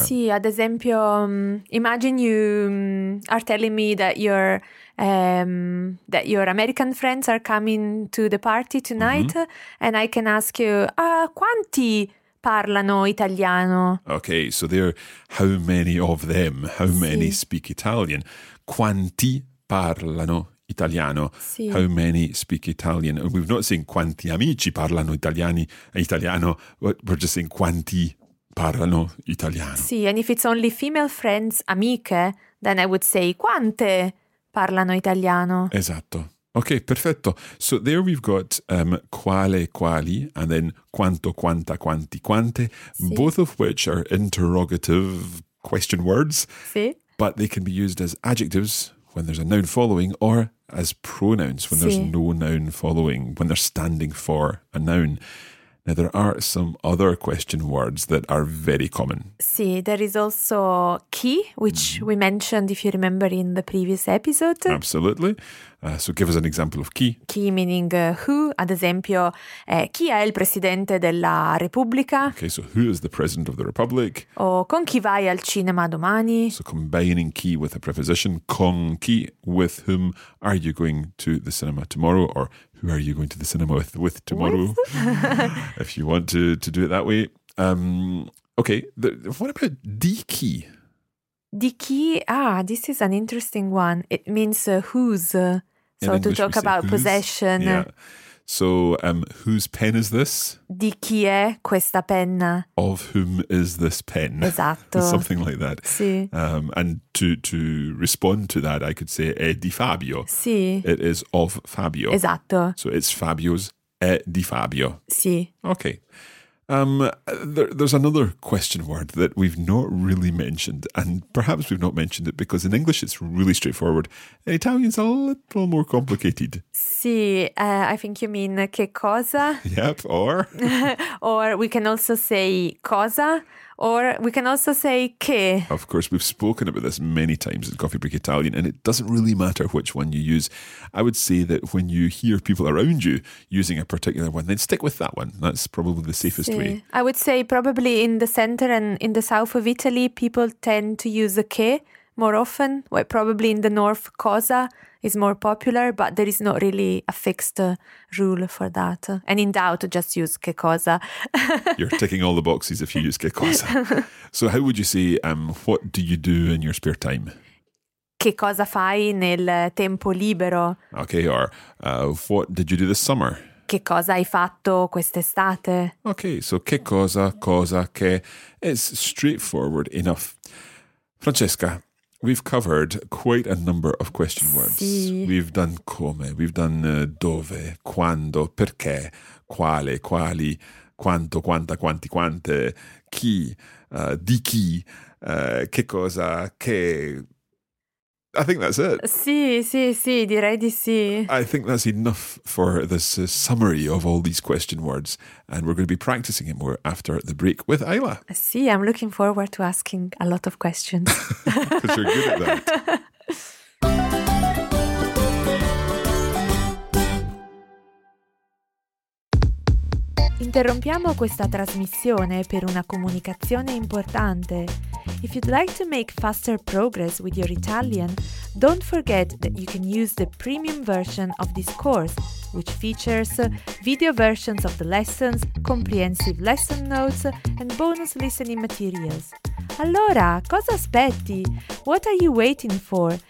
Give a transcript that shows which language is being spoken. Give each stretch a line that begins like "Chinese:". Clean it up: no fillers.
English: Sì, ad esempio, imagine you are telling me that your American friends are coming to the party tonight, and I can ask you,
Italian: quanti parlano italiano?
English: Okay, so there, how many of them, how many speak Italian?
Italian: Quanti parlano italiano? Sì.
English: How many speak Italian? We've not seen
Italian: quanti amici parlano italiano,
English: we're just saying
Italian: quanti parlano italiano.
English: Sì, and if it's only female friends, amiche, then I would say
Italian: quante parlano italiano.
English: Esatto. Okay, perfetto. So there we've got quale, quali, and then quanto, quanta, quanti, quante,
Italian: sì.
English: both of which are interrogative question words,
Italian: sì.
English: but they can be used as adjectives when there's a noun following, or as pronouns when there's no noun following, when they're standing for a noun. Now, there are some other question words that are very common. Sì, there is also chi, which we mentioned, if you remember, in the previous episode. Absolutely. So give us an example of chi.
Italian: Chi
English: meaning who,
Italian: ad esempio, chi è il presidente della Repubblica?
English: Okay, so who is the president of the Republic?
Italian: O con chi vai al cinema domani?
English: So combining chi with a preposition, con chi, with whom are you going to the cinema tomorrow, or who are you going to the cinema with tomorrow, with? If you want to do it that way. Okay, what about di chi?
Italian: Di chi?
English: Ah, this is an interesting one. It means whose. So in to English talk about whose? Possession. Yeah. So whose pen is this?
Italian: Di chi è questa penna?
English: Of whom is this pen?
Italian: Esatto.
English: Something like that.
Italian: Sì.
English: And to respond to that, I could say
Italian: è di Fabio. Sì.
English: It is of Fabio.
Italian: Esatto.
English: So it's Fabio's.
Italian: È di Fabio. Sì.
English: Okay. There's another question word that we've not really mentioned, and perhaps we've not mentioned it because in English it's really straightforward. In Italian's a little more complicated. Sì, I think you mean che cosa. Yep, or? Or we can also say cosa, or we can also say che. Of course, we've spoken about this many times in Coffee Break Italian, and it doesn't really matter which one you use. I would say that when you hear people around you using a particular one, then stick with that one. That's probably the safest way. I would say probably in the center and in the south of Italy, people tend to use a che more often. Well, probably in the north, cosa is more popular, but there is not really a fixed rule for that. And in doubt, just use che cosa. You're ticking all the boxes if you use che cosa. So how would you say, what do you do in your spare time?
Italian: Che cosa fai nel tempo libero?
English: Okay, or what did you do this summer?
Italian: Che cosa hai fatto quest'estate?
English: Okay, so che cosa, cosa, che. It's straightforward enough. Francesca, we've covered quite a number of question words. Sì. We've done come, we've done dove, quando, perché, quale, quali, quanto, quanta, quanti, quante, chi, di chi, che cosa, che. I think that's it.
Italian: Sì, sì, sì, direi di sì.
English: I think that's enough for this summary of all these question words. And we're going to be practicing it more after the break with Ayla. Sì, I'm looking forward to asking a lot of questions. Because you're good at that.
Italian: Interrompiamo questa trasmissione per una comunicazione importante.
English: If you'd like to make faster progress with your Italian, don't forget that you can use the premium version of this course, which features video versions of the lessons, comprehensive lesson notes, and bonus listening materials.
Italian: Allora, cosa aspetti?
English: What are you waiting for?